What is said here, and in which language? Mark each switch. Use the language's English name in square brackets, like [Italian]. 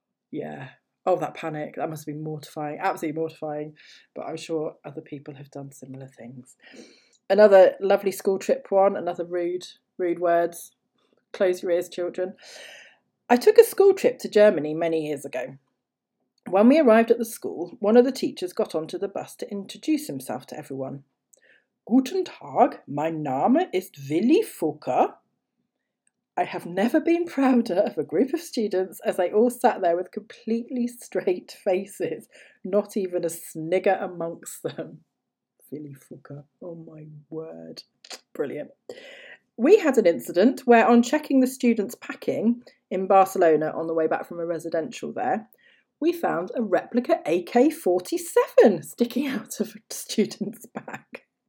[English] Yeah, oh, that panic, that must have been mortifying, absolutely mortifying, but I'm sure other people have done similar things. Another lovely school trip one, another rude words. Close your ears, children. I took a school trip to Germany many years ago. When we arrived at the school, one of the teachers got onto the bus to introduce himself to everyone. [German] Guten Tag, mein Name ist Willy Fucker. [English] I have never been prouder of a group of students as they all sat there with completely straight faces, not even a snigger amongst them. Willy Fucker, oh my word. Brilliant. We had an incident where on checking the students' packing in Barcelona on the way back from a residential there, we found a replica AK-47 sticking out of a student's bag.